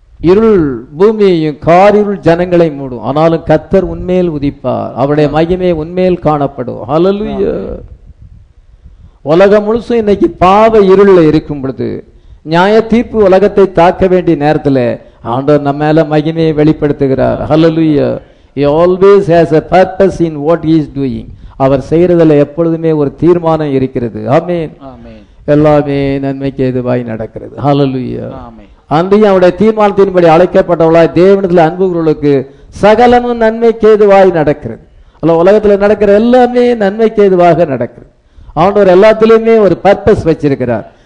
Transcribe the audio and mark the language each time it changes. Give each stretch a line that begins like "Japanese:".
Tamil: இருள் பூமியையும் காரிருள் ஜனங்களை மூடும். ஆனாலும் கர்த்தர் உண்மையில் உதிப்பார், அவருடைய மகிமை உண்மையில் காணப்படும். ஹல்லேலூயா. உலகம் முழுசும் இன்னைக்கு பாவ இருளில் இருக்கும் பொழுது நியாய தீர்ப்பு உலகத்தை தாக்க வேண்டிய நேரத்தில் ஆண்டவர் நம்ம மேலே மகிமையை வெளிப்படுத்துகிறார். ஹல்லேலூயா.
English: He always has a purpose in what he is doing.
Tamil: அவர் செய்கிறதில் எப்பொழுதுமே ஒரு தீர்மானம் இருக்கிறது. ஆமேன். ஆமேன். எல்லாமே நன்மைக்கு ஏதுவாய் நடக்கிறது. ஹல்லேலூயா. ஆமேன். அன்றையும் அவருடைய தீர்மானத்தின்படி அழைக்கப்பட்டவளாய் தேவனிடத்தில் அன்புகளுக்கு சகலமும் நன்மைக்கு ஏதுவாய் நடக்கிறது. அல்ல, உலகத்தில் நடக்கிற எல்லாமே நன்மைக்கு ஏதுவாக நடக்கிறது. ஆண்டவர் எல்லாத்திலையுமே ஒரு பர்பஸ் வச்சிருக்கிறார்.